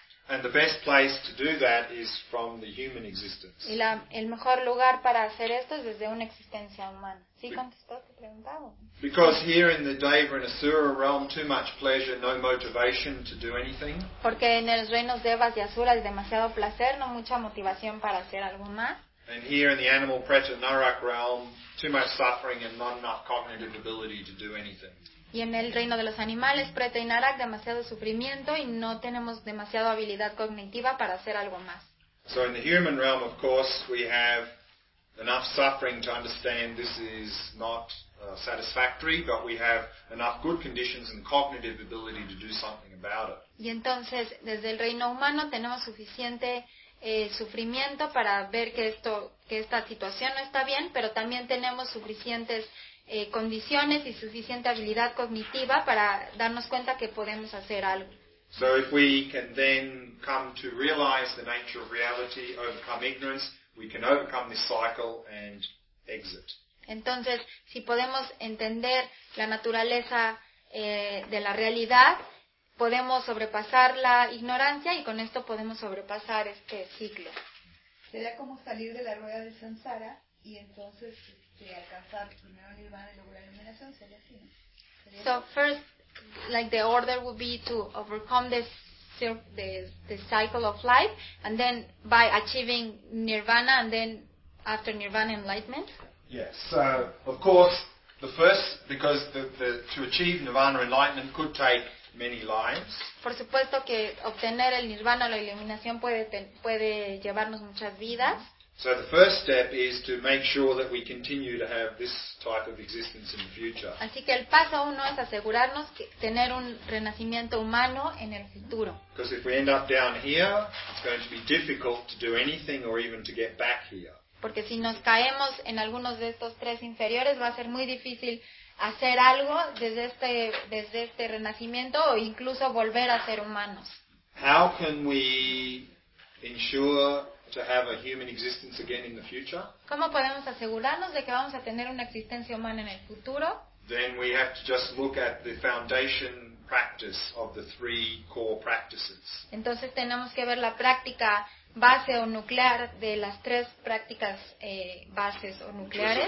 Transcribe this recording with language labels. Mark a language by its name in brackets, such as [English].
[English] And the best place to do that is from the human existence. [Spanish] Y el mejor lugar para hacer esto es desde una existencia humana. ¿Sí contestó tu pregunta? [English] Because here in the Devanasura realm, too much pleasure, no motivation to do anything. [Spanish] Porque en los reinos de Devas y Asuras, demasiado placer, no mucha motivación para hacer algo más. [English] And here in the animal Preta Narak realm, too much suffering and not enough cognitive ability to do anything. [Spanish] Y en el reino de los animales, Preta y Narak, demasiado sufrimiento y no tenemos demasiada habilidad cognitiva para hacer algo más. [English] So in the human realm, of course, we have enough suffering to understand this is not satisfactory, but we have enough good conditions and cognitive ability to do something about it. [Spanish] Y entonces, desde el reino humano tenemos suficiente sufrimiento para ver que esto, que esta situación no está bien, pero también tenemos suficientes condiciones y suficiente habilidad cognitiva para darnos cuenta que podemos hacer algo. [English] So if we can then come to realize the nature of reality, overcome ignorance, we can overcome this cycle and exit. [Spanish] Entonces, si podemos entender la naturaleza de la realidad, podemos sobrepasar la ignorancia y con esto podemos sobrepasar este ciclo. Sería como salir de la rueda del samsara y entonces alcanzar primero nirvana y luego la iluminación, sería así, ¿no? [English] So first, like the order would be to overcome this the cycle of life, and then by achieving nirvana, and then after nirvana, enlightenment. Yes. So of course, the first, because the to achieve nirvana, enlightenment could take many lives. [Spanish] Por supuesto que obtener el nirvana, la iluminación puede llevarnos muchas vidas. [English] So the first step is to make sure that we continue to have this type of existence in the future. [Spanish] Así que el paso uno es asegurarnos que tener un renacimiento humano en el futuro. [English] Because if we end up down here, it's going to be difficult to do anything or even to get back here. [Spanish] Porque si nos caemos en algunos de estos tres inferiores, va a ser muy difícil hacer algo desde este renacimiento o incluso volver a ser humanos. [English] How can we ensure to have a human existence again in the future? [Spanish] ¿Cómo podemos asegurarnos de que vamos a tener una existencia humana en el futuro? [English] Then we have to just look at the foundation practice of the three core practices. [Spanish] Entonces tenemos que ver la práctica base o nuclear de las tres prácticas bases o nucleares.